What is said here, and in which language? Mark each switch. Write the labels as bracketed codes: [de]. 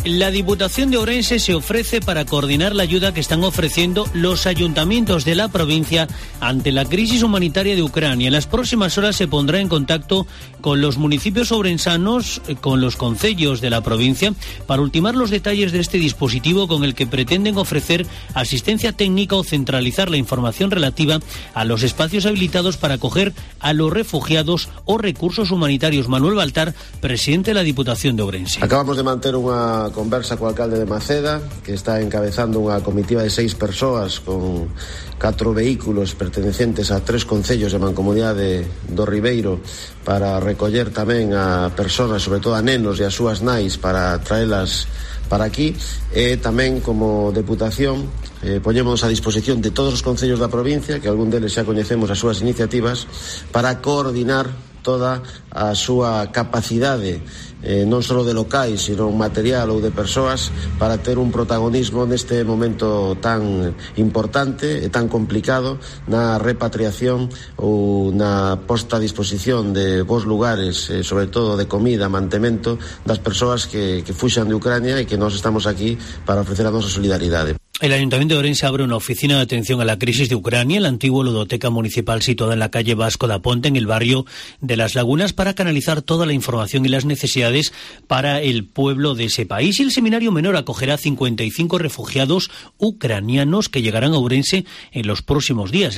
[es] La Diputación de Ourense se ofrece para coordinar la ayuda que están ofreciendo los ayuntamientos de la provincia ante la crisis humanitaria de Ucrania. En las próximas horas se pondrá en contacto con los municipios ourensanos, con los concellos de la provincia, para ultimar los detalles de este dispositivo con el que pretenden ofrecer asistencia técnica o centralizar la información relativa a los espacios habilitados para acoger a los refugiados o recursos humanitarios. Manuel Baltar, presidente de la Diputación de Ourense. [gl] Acabamos de manter unha conversa co alcalde de Maceda, que está encabezando unha comitiva de 6 persoas con 4 vehículos pertenecientes a 3 concellos de mancomunidade do Ribeiro, para recoller tamén a persoas, sobre todo a nenos e as súas nais, para traelas para aquí. E tamén, como deputación, poñemos a disposición de todos os concellos da provincia, que algún deles xa coñecemos as súas iniciativas, para coordinar toda a súa capacidade, non só de locais, sino material ou de persoas, para ter un protagonismo neste momento tan importante e tan complicado na repatriación ou na posta a disposición de bons lugares, sobre todo de comida, mantemento, das persoas que fuxan de Ucrania e que nós estamos aquí para ofrecer a nosa solidaridade. [es] El Ayuntamiento de Ourense abre una oficina de atención a la crisis de Ucrania, la antigua ludoteca municipal situada en la calle Vasco da Ponte, en el barrio de Las Lagunas, para canalizar toda la información y las necesidades para el pueblo de ese país. Y el seminario menor acogerá 55 refugiados ucranianos que llegarán a Ourense en los próximos días.